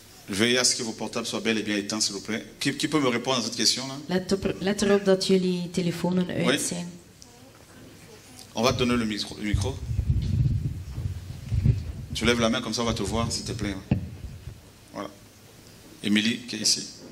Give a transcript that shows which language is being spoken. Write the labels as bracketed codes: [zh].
[fr] Veuillez à ce que vos portables soient bel et bien éteints, s'il vous plaît. Qui peut me répondre à cette question là? [nl] Let erop dat jullie telefoons uit zijn. [fr] On va te donner le micro. Tu lèves la main comme ça, on va te voir, s'il te plaît. Voilà. Émilie, qui est ici.